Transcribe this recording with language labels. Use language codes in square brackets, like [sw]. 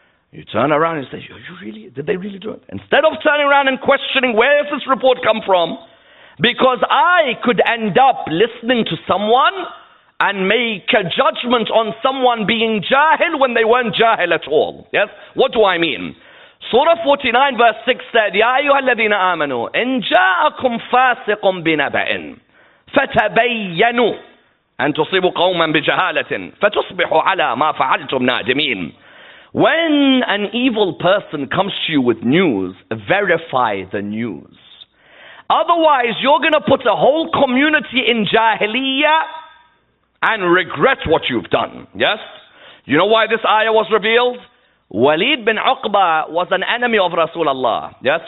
[en] You turn around and say, did they really do it? Instead of turning around and questioning, where has this report come from? Because I could end up listening to someone and make a judgment on someone being jahil when they weren't jahil at all. Yes? What do I mean? Surah 49 verse 6 said, [ar] يَا أَيُّهَا الَّذِينَ آمَنُوا إِن جَاءَكُمْ فَاسِقٌ بِنَبَئٍ فَتَبَيَّنُوا أَن تُصِيبُوا قَوْمًا بِجَهَالَةٍ فَتُصْبِحُوا عَلَى مَا فَعَلْتُمْ نَادِمِينَ. [en] When an evil person comes to you with news, verify the news. Otherwise, you're going to put a whole community in jahiliyyah and regret what you've done. Yes? You know why this ayah was revealed? Walid bin Uqba was an enemy of Rasulullah. Yes?